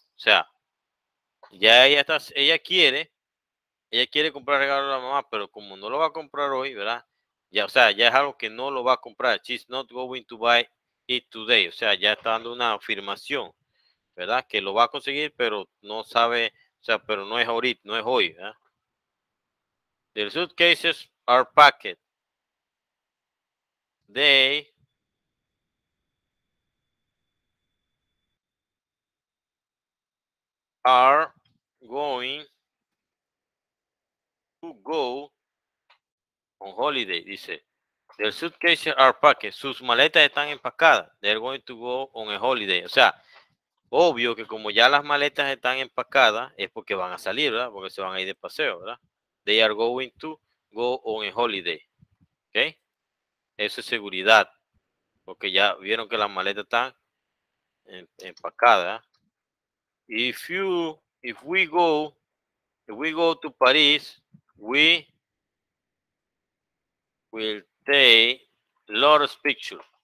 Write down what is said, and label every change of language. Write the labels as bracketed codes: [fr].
[es] O sea, ya ella quiere comprar regalo a la mamá, pero como no lo va a comprar hoy, ¿verdad? Ya, o sea, ya es algo que no lo va a comprar. [en] She's not going to buy it today. [es] O sea, ya está dando una afirmación, ¿verdad? Que lo va a conseguir, pero no sabe, o sea, pero no es ahorita, no es hoy, ¿verdad? [en] The suitcases are packed. They are going to go on holiday, [es] dice. [en] Their suitcases are packed. [es] Sus maletas están empacadas. [en] They're going to go on a holiday. [es] O sea, obvio que como ya las maletas están empacadas, es porque van a salir, ¿verdad? Porque se van a ir de paseo, ¿verdad? [en] They are going to go on a holiday. [es] ¿Ok? Eso es seguridad. Porque ya vieron que las maletas están empacadas. [en] If we go to Paris, we will take Lord's picture.